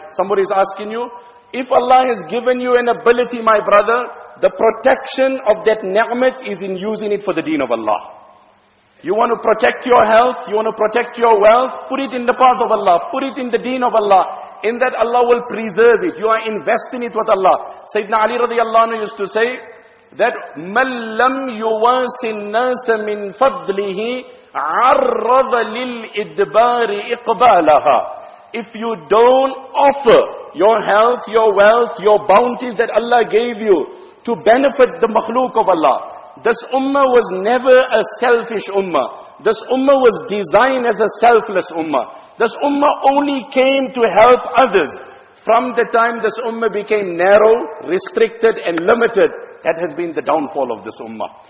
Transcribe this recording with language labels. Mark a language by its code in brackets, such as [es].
[en] Somebody is asking you, if Allah has given you an ability, my brother, the protection of that ni'mat is in using it for the deen of Allah. You want to protect your health, you want to protect your wealth, put it in the path of Allah, put it in the deen of Allah. In that Allah will preserve it. You are investing it with Allah. Sayyidina Ali radiallahu anhu used to say that [ar] مَنْ لَمْ يُوَاسِ النَّاسَ مِنْ فَضْلِهِ عَرَّضَ لِلْإِدْبَارِ إِقْبَالَهَا. [en] If you don't offer your health, your wealth, your bounties that Allah gave you to benefit the makhluk of Allah. This ummah was never a selfish ummah. This ummah was designed as a selfless ummah. This ummah only came to help others. From the time this ummah became narrow, restricted and limited, that has been the downfall of this ummah.